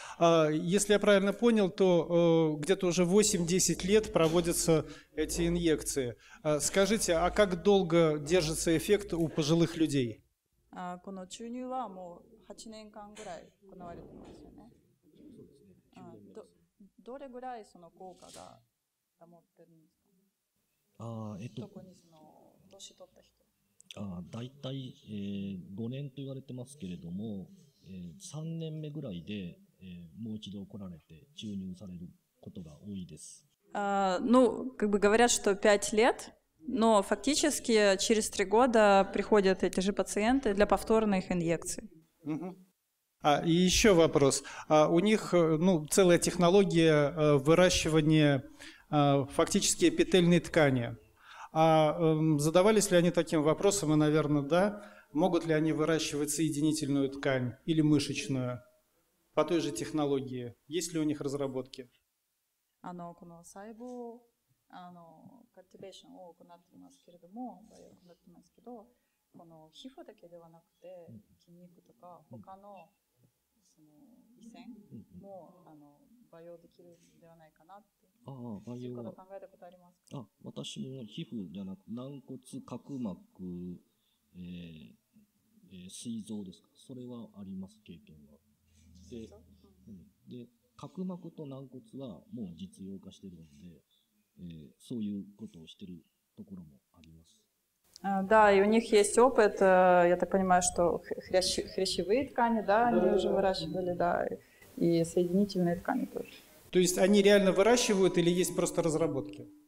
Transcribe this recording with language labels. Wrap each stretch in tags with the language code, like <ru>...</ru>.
<ru>Если я правильно понял, то где-то уже 8-10 лет проводятся эти инъекции. Скажите, а как долго держится эффект у пожилых людей?</ru> <ja>この注入はもう8年間ぐらい行われてますよね。どれぐらいその効果が保ってるんですか。特にその年取った人。大体、5年と言われてますけれども、3年目ぐらいで、もう一度来られて注入されることが多いです。</ja> <ru>говорят, что 5 лет? Но фактически через 3 года приходят эти же пациенты для повторных инъекций. И еще вопрос. У них целая технология выращивания фактически эпительной ткани. Задавались ли они таким вопросом? И, наверное, да. Могут ли они выращивать соединительную ткань или мышечную по той же технологии? Есть ли у них разработки? Оно, оно, сайбу, оно,</ru> <ja>ティベーションを行ってますけれども、培養を行ってますけど、この皮膚だけではなくて筋肉とか他の胃腺も培養できるのではないかなって、ああ培養は考えたことありますか？あ、私も皮膚じゃなく軟骨、角膜、膵臓ですか、それはあります、経験は。で、で角膜と軟骨はもう実用化してるので、そういうことをしてるところもあります。</ja> <ru>Да, и у них есть опыт, я так понимаю, что хрящевые ткани, да, они уже выращивали, да, и соединительные ткани тоже. То есть они реально выращивают или есть просто разработки?</ru>